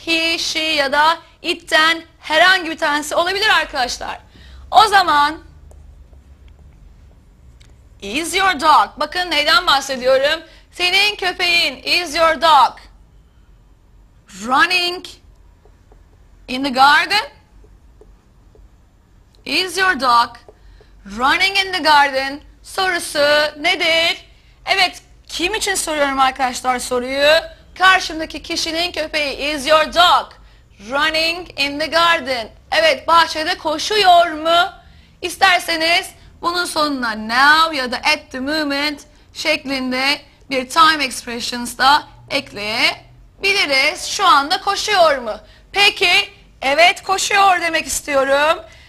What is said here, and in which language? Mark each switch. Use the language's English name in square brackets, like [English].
[Turkish] He, she ya da it'ten herhangi bir tanesi olabilir arkadaşlar. O zaman [English] is your dog. [Turkish] Bakın neyden bahsediyorum? Senin köpeğin [English] is your dog running In the garden? Is your dog running in the garden? [Turkish] Sorusu nedir? Evet, kim için soruyorum arkadaşlar soruyu? Karşımdaki kişinin köpeği. [English] Is your dog running in the garden? [Turkish] Evet, bahçede koşuyor mu? İsterseniz bunun sonuna now ya da at the moment şeklinde bir time expressions da ekleyebiliriz. Şu anda koşuyor mu? Peki, evet koşuyor demek istiyorum.